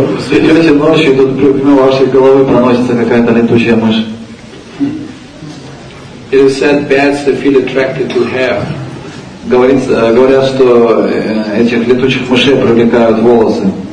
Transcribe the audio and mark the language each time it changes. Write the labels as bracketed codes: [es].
[ru] Идете ночью, тут мимо вашей головы проносится какая-то летучая мышь. [en] It is said bats they feel attracted to hair. [ru] говорят, что этих летучих мышей привлекают волосы.